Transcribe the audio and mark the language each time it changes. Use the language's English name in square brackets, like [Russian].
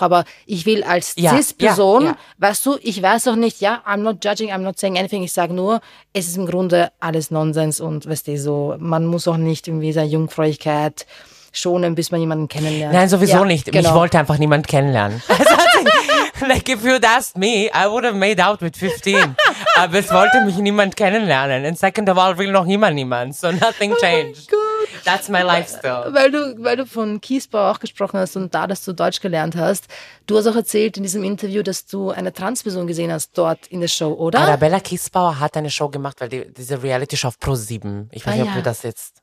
[German] Aber ich will als Cis-Person, weißt du, ich weiß auch nicht, [English] I'm not judging, I'm not saying anything. [German] Ich sage nur, es ist im Grunde alles Nonsens. Und weißt du, so, man muss auch nicht irgendwie seine Jungfräulichkeit schonen, bis man jemanden kennenlernt. Nein, sowieso nicht. Genau. Ich wollte einfach niemanden kennenlernen. [English] Like, if you'd asked me, I would have made out with 15. [German] Aber es wollte mich niemand kennenlernen. [English] And second of all, [German] will noch immer niemand. [English] So nothing changed. Oh my God. That's my lifestyle. [German] Weil du von Kiesbau auch gesprochen hast und da, dass du Deutsch gelernt hast, du hast auch erzählt in diesem Interview, dass du eine Transperson gesehen hast dort in der Show, oder? Arabella Kiesbauer hat eine Show gemacht, weil diese Reality-Show auf Pro7, ich weiß nicht, ob du das jetzt...